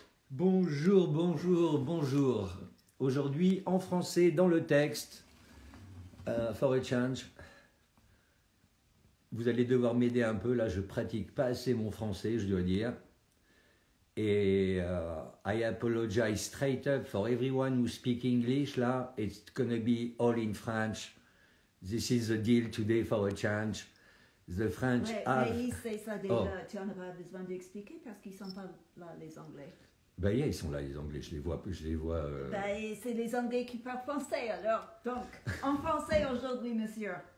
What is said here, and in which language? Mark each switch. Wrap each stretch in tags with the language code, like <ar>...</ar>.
<fr>Bonjour, bonjour, bonjour. Aujourd'hui, en français, dans le texte,</fr> <en>for a change.</en> <fr>Vous allez devoir m'aider un peu. Là, je pratique pas assez mon français, je dois dire.</fr> <en>Et I apologize straight up for everyone who speak English. Là, it's gonna be all in French. This is the deal today for a change. The French have...</en> <fr>Mais ils savent ça déjà, oh. Tu n'en as pas besoin d'expliquer parce qu'ils ne sont pas là, les Anglais. Ben, yeah, ils sont là, les Anglais, je les vois... Ben, c'est les Anglais qui parlent français, alors. Donc, en français aujourd'hui, monsieur.</fr>